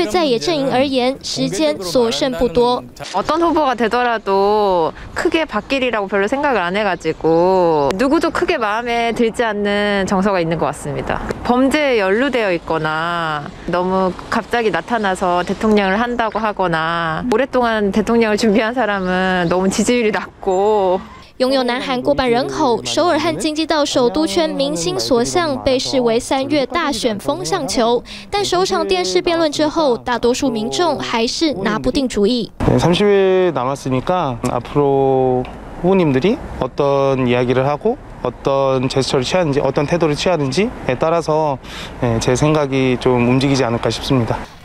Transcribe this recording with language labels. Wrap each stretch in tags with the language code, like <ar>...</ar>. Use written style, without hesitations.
<zh>民调始终没起色，原先坚持孤军奋战的安哲秀耐人寻味的回应被解读是接受势力整合的信号。只是大选倒数一个月，对在野阵营而言，时间所剩不多。</zh> <ko>어떤 후보가 되더라도 크게 바뀌리라고 별로 생각을 안 해가지고 누구도 크게 마음에 들지 않는 정서가 있는 것 같습니다. 범죄에 연루되어 있거나 너무 갑자기 나타나서 대통령을 한다고 하거나 오랫동안 대통령을 준비한 사람은 너무 지지율이 낮고</ko> <zh>拥有南韩过半人口，首尔和京畿道首都圈明星所向，被视为三月大选风向球。但首场电视辩论之后，大多数民众还是拿不定主意。</zh> <ko>30일 남았으니까 앞으로 후보님들이 어떤 이야기를 하고 어떤 제스처를 취하는지 어떤 태도를 취하는지에 따라서 제 생각이 좀 움직이지 않을까 싶습니다.</ko>